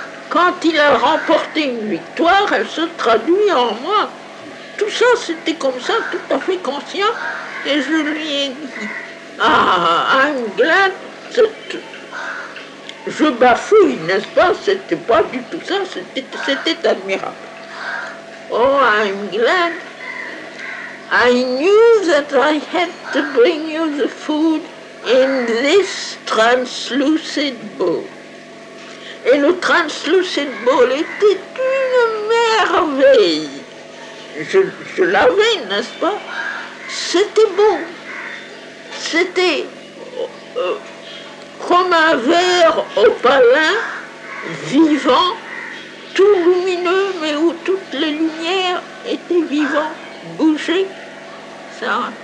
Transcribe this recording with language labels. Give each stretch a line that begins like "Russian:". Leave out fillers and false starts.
French: Quand il a remporté une victoire, elle se traduit en moi. Tout ça, c'était comme ça, tout à fait conscient. Et je lui ai dit, ah,
English: I'm glad that...
French: Je bafouille, n'est-ce pas? C'était pas du tout ça, c'était admirable.
English: Oh, I'm glad. I knew that I had to bring you the food in this translucent bowl.
French: Et le translucent bowl était une merveille. Je l'avais, n'est-ce pas? C'était beau. C'était comme un verre opalin, vivant, tout lumineux, mais où toutes les lumières étaient vivantes, bougeaient. Ça.